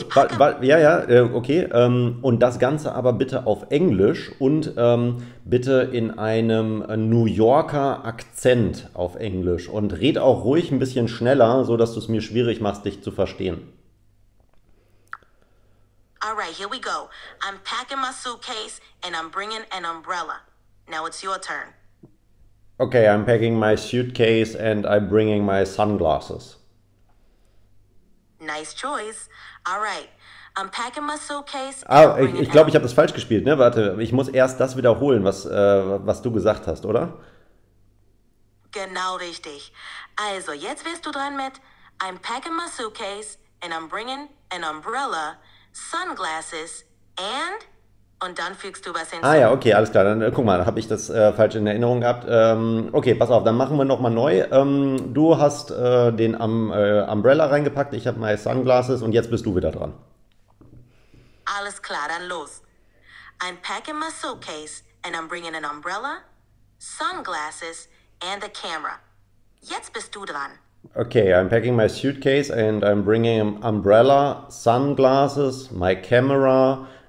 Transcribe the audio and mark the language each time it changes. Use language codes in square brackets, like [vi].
[de] Ich packe. Und das Ganze aber bitte auf Englisch und bitte in einem New Yorker Akzent auf Englisch. Und red auch ruhig ein bisschen schneller, sodass du es mir schwierig machst, dich zu verstehen. [en] Alright, here we go. I'm packing my suitcase and I'm bringing an umbrella. Now it's your turn. Okay, I'm packing my suitcase and I'm bringing my sunglasses. Nice choice. All right. I'm packing my suitcase and Ah, I'm bringing [de] ich glaube, ich [en] an. [de] habe das falsch gespielt, ne? Warte, ich muss erst das wiederholen, was du gesagt hast, oder? Genau richtig. Also, jetzt wirst du dran mit. [en] I'm packing my suitcase and I'm bringing an umbrella, sunglasses and. [de] Und dann fügst du was Ah ja, hinzu. okay, alles klar. Dann guck mal, habe ich das falsch in Erinnerung gehabt. Okay, pass auf, dann machen wir nochmal neu. Du hast den Umbrella reingepackt, ich habe meine Sunglasses und jetzt bist du wieder dran. Alles klar, dann los. [en] I'm packing my suitcase and I'm bringing an umbrella, sunglasses and a camera. [de] Jetzt bist du dran. [en] Okay, I'm packing my suitcase and I'm bringing umbrella, sunglasses, my camera.